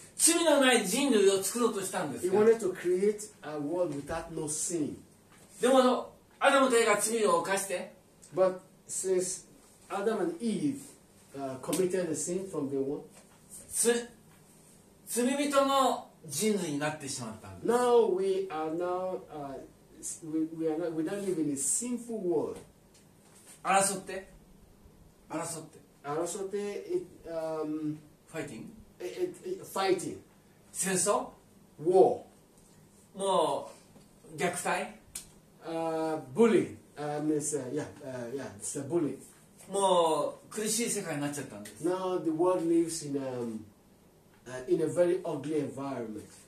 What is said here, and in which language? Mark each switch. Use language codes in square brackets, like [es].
[ja] 罪のない人類を作ろうとしたんですか。 [en] He wanted to create a world without no sin. [ja] でもアダムとエバが罪を犯して、 [en] But since Adam and Eve committed a sin from the one, [ja] 罪人の人類になってしまったんです。 [en] Now we are now we are not we don't live in a sinful world. [ja] 争って [en] fighting [ja] 戦争 [en] war [ja] もう虐待 [en] bullying. It's a bullying. [ja] もう苦しい世界になっちゃったんです。 [en] Now the world lives in a very ugly environment.